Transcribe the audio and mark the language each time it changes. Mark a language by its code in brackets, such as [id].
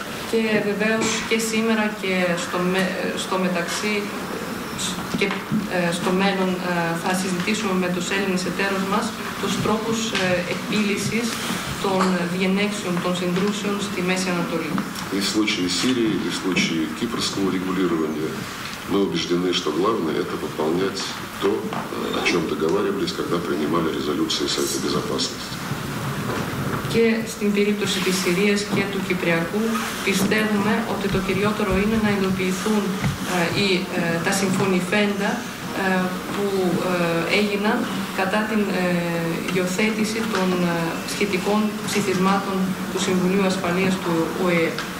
[el] Και βεβαίως και σήμερα και στο μεταξύ και στο μέλλον θα συζητήσουμε με τους Έλληνες εταίρους μας τους τρόπους επίλυσης των διενέξεων, των συντρούσεων στη Μέση Ανατολή. [ru] И в случае Сирии, и в случае кипрского регулирования мы убеждены, что главное это выполнять то, о чем договаривались, когда принимали резолюции Совета Безопасности. [el] Και στην περίπτωση της Συρίας και του Κυπριακού πιστεύουμε ότι το κυριότερο είναι να υλοποιηθούν τα συμφωνηφέντα που έγιναν κατά την υιοθέτηση των σχετικών ψηφισμάτων του Συμβουλίου Ασφαλείας του ΟΗΕ.